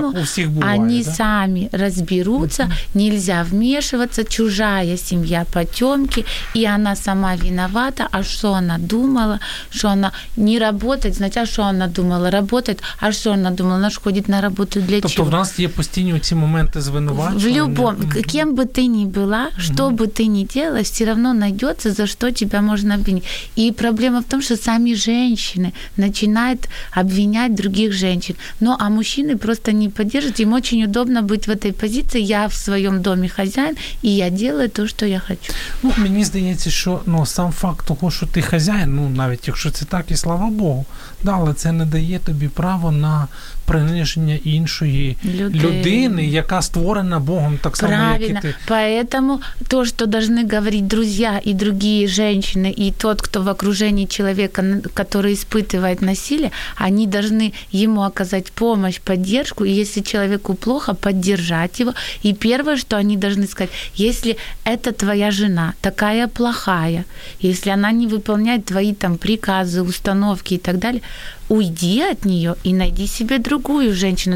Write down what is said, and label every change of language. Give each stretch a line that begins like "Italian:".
Russian: Ну, так у всех бывает, они да? сами разберутся, нельзя вмешиваться, чужая семья потемки, и она сама виновата, а что она думала, что она не работает, значит, а что она думала, работает, а что она думала, она же ходит на работу для чего?
Ukrainian: Тобто в нас є постійні ці моменти звинувачення?
Russian: В любом, кем бы ты ни была, что бы ты ни делала, все равно найдется, за что тебя можно обвинить. И проблема в том, что сами женщины начинают обвинять других женщин. Ну, а мужчины просто не поддерживают, им очень удобно быть в этой позиции, я в своем доме хозяин, и я делаю то, что я хочу.
Ukrainian: Ну, мені здається, що ну, сам факт того, що ти хазяїн, ну, навіть якщо це так, і слава Богу, да, але це не дає тобі право на приниження іншої людини, яка створена Богом так само, правильно, як і ти.
Russian: Поэтому то,
Ukrainian: що
Russian: должны говорить друзья и другие женщины, и тот, кто в окружении человека, который испытывает насилие, они должны ему оказать помощь, поддержку, и если человеку плохо, поддержать его. И первое, что они должны сказать, если это твоя жена, такая плохая, если она не выполняет твои там приказы, установки и так далее, уйди от нее и найди себе другую женщину.